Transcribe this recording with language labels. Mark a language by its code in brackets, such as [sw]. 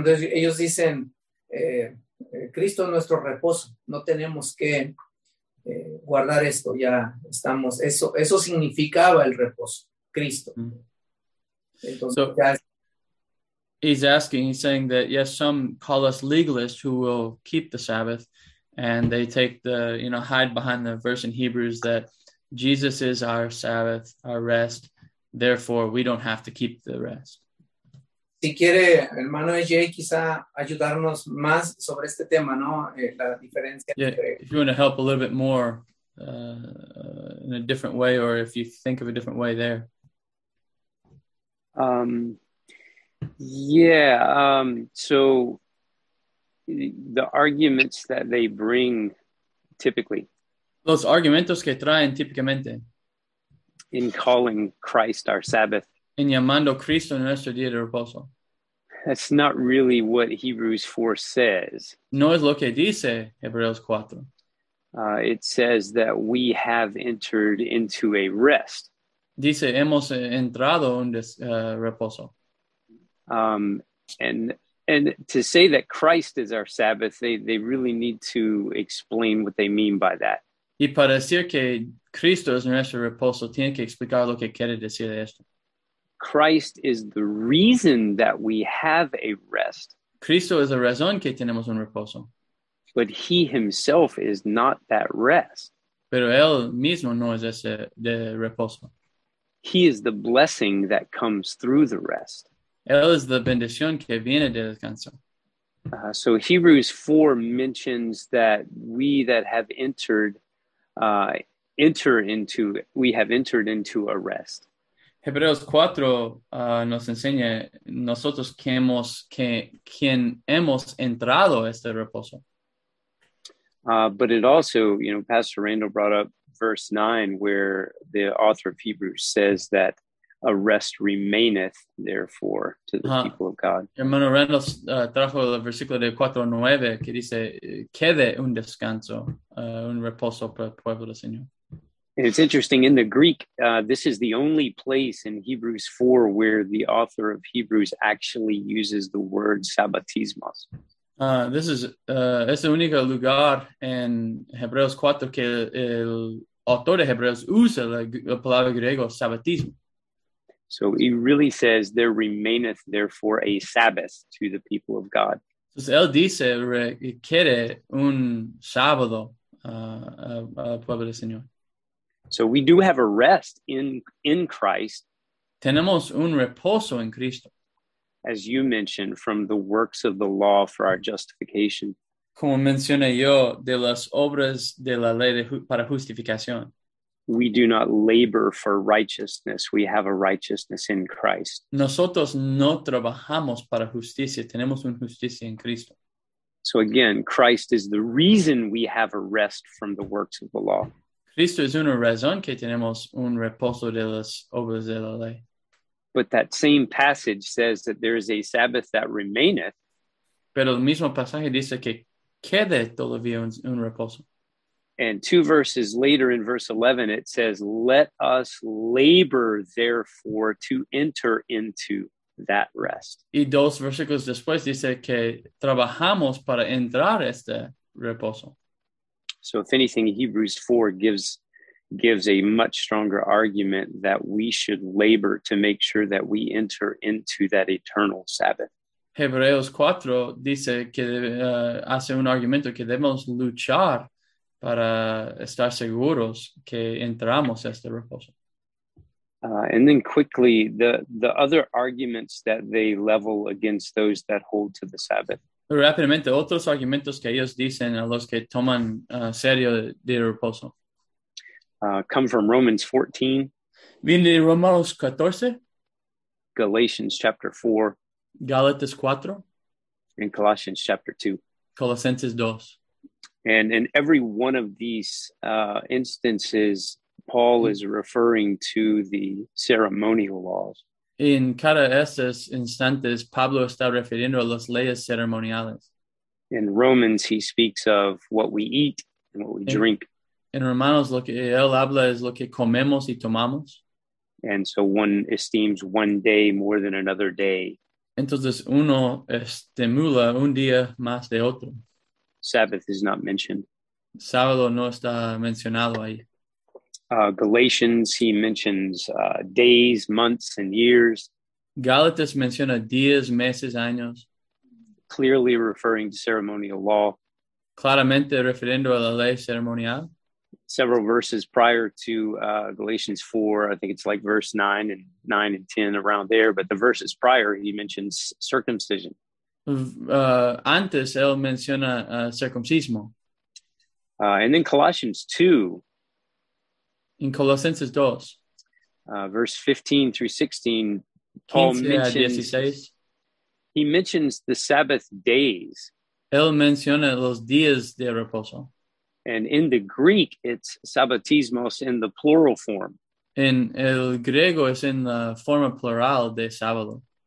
[es] Entonces ellos dicen, Cristo es nuestro reposo, no tenemos que guardar esto, ya estamos, eso significaba el reposo, Cristo. [en] Entonces, he's asking, he's saying that, yes, some call us legalists who will keep the Sabbath, and they take the, you know, hide behind the verse in Hebrews that Jesus is our Sabbath, our rest, therefore we don't have to keep the rest. [es] Si quiere, hermano EJ, quizá ayudarnos más sobre este tema, ¿no? La diferencia yeah, entre... [en] If you want to help a little bit more in a different way, or if you think of a different way there. So the arguments that they bring typically. [es] Los argumentos que traen típicamente. [en] In calling Christ our Sabbath. [es] En llamando Cristo nuestro día de reposo. [en] That's not really what Hebrews 4 says. [es] No es lo que dice Hebreos 4. [en] It says that we have entered into a rest. [es] Dice, hemos entrado en reposo. [en] And to say that Christ is our Sabbath, they really need to explain what they mean by that. [es] Y para decir que Cristo es nuestro reposo, tiene que explicar lo que quiere decir esto. [en] Christ is the reason that we have a rest. [es] Cristo es la razón que tenemos un reposo. [en] But he himself is not that rest. [es] Pero él mismo no es ese de reposo. [en] He is the blessing that comes through the rest. [es] Él es la bendición que viene del descanso. [en] So Hebrews 4 mentions that we that have entered, we have entered into a rest. [es] Hebreos 4 nos enseña nosotros quien hemos entrado este reposo. [en] But it also, you know, Pastor Randall brought up verse 9 where the author of Hebrews says that a rest remaineth, therefore, to the people of God. [es] Hermano Randall trajo el versículo de 4:9 que dice, quede un descanso, un reposo para el pueblo del Señor. [en] And it's interesting, in the Greek, this is the only place in Hebrews 4 where the author of Hebrews actually uses the word sabbatismos. [es] Es el único lugar en Hebreos 4 que el autor de Hebreos usa la palabra griego sabbatismo. [en] So he really says, there remaineth therefore a Sabbath to the people of God. [es] Entonces él dice, requiere un sábado al pueblo del Señor. [en] So we do have a rest in Christ. [es] Tenemos un reposo en Cristo. [en] As you mentioned, from the works of the law for our justification. [es] Como mencioné yo, de las obras de la ley para justificación. [en] We do not labor for righteousness. We have a righteousness in Christ. [es] Nosotros no trabajamos para justicia. Tenemos una justicia en Cristo. [en] So again, Christ is the reason we have a rest from the works of the law. [es] Cristo es una razón que tenemos un reposo de las obras de la ley. [en] But that same passage says that there is a Sabbath that remaineth. [es] Pero el mismo pasaje dice que quede todavía un reposo. [en] And two verses later in verse 11, it says, let us labor therefore to enter into that rest. [es] Y dos versículos después dice que trabajamos para entrar este reposo. [en] So if anything, Hebrews 4 gives a much stronger argument that we should labor to make sure that we enter into that eternal Sabbath. [es] Hebreos 4 dice que hace un argumento que debemos luchar para estar seguros que entramos a este reposo. [en] And then quickly, the other arguments that they level against those that hold to the Sabbath. [es] Rápidamente, otros argumentos que ellos dicen a los que toman serio de reposo. [en] Come from Romans 14. [es] Viene de Romanos 14. [en] Galatians chapter 4. [es] Galatas 4. [en] And Colossians chapter 2. [es] Colosenses 2. [en] And in every one of these instances, Paul is referring to the ceremonial laws. [es] En cada estos instantes, Pablo está refiriendo a las leyes ceremoniales. [en] In Romans, he speaks of what we eat and what we drink. [es] En Romanos, lo que él habla es lo que comemos y tomamos. [en] And so one esteems one day more than another day. [es] Entonces, uno estimula un día más de otro. [en] Sabbath is not mentioned. [es] Sábado no está mencionado ahí. [en] Galatians, he mentions days, months, and years. [es] Gálatas menciona días, meses, años. [en] Clearly referring to ceremonial law. [es] Claramente refiriendo a la ley ceremonial. [en] Several verses prior to Galatians 4, I think it's like verse 9 and 10 around there, but the verses prior, he mentions circumcision. [es] Antes él menciona circuncismo. [en] And then Colossians 2. [es] In Colossenses 2. [en] Verse 15 through 16, Paul mentions, 16. He mentions the Sabbath days. [es] Él menciona los días de reposo. [en] And in the Greek, it's sabbatismos in the plural form. [es] En el griego es en la forma plural de sábado.